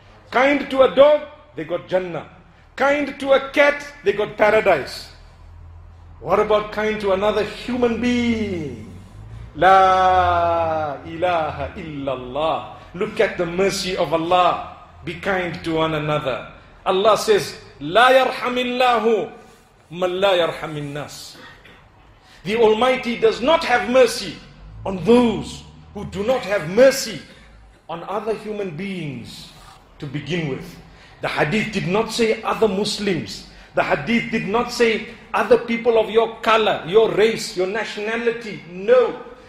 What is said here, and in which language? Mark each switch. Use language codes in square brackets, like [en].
[en] Kind to a dog, they got Jannah. Kind to a cat, they got paradise. What about kind to another human being? [ar] La ilaha illallah. [en] Look at the mercy of Allah. Be kind to one another. Allah says, [ar] لا يرحم الله من لا يرحم الناس. [en] The Almighty does not have mercy on those who do not have mercy on other human beings to begin with. The hadith did not say other Muslims. The hadith did not say other people of your color, your race, your nationality. No.